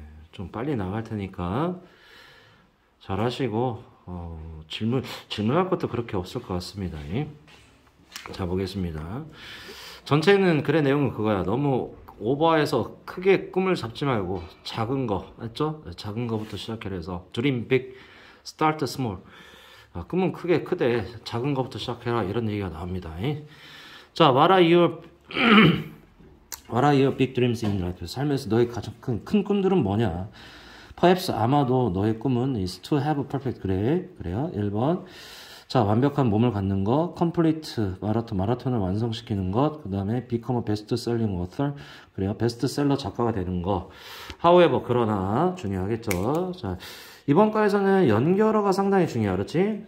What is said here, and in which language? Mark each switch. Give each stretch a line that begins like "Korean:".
Korean: 좀 빨리 나갈 테니까 잘하시고, 질문할 것도 그렇게 없을 것 같습니다. 자, 보겠습니다. 전체는 글의 내용은 그거야. 너무 오버해서 크게 꿈을 잡지 말고 작은 거, 맞죠? 작은 거부터 시작해서
English: 드림 빅, 스타트 스몰.
Korean: 꿈은 크게 크되 작은 거부터 시작해라. 이런 얘기가 나옵니다.
English: 자, What are your big dreams in life?
Korean: 삶에서 너의 가장 큰 꿈들은 뭐냐?
English: Perhaps
Korean: 아마도 너의 꿈은
English: is to have a perfect.
Korean: 그래, 그래요. 1번. 자, 완벽한 몸을 갖는 것, complete 마라톤, 마라톤을 완성시키는 것, 그 다음에
English: become a best-selling author,
Korean: 그래요, 베스트셀러 작가가 되는 것. However, 그러나 중요하겠죠. 자, 이번 과에서는 연결어가 상당히 중요하죠. 그렇지?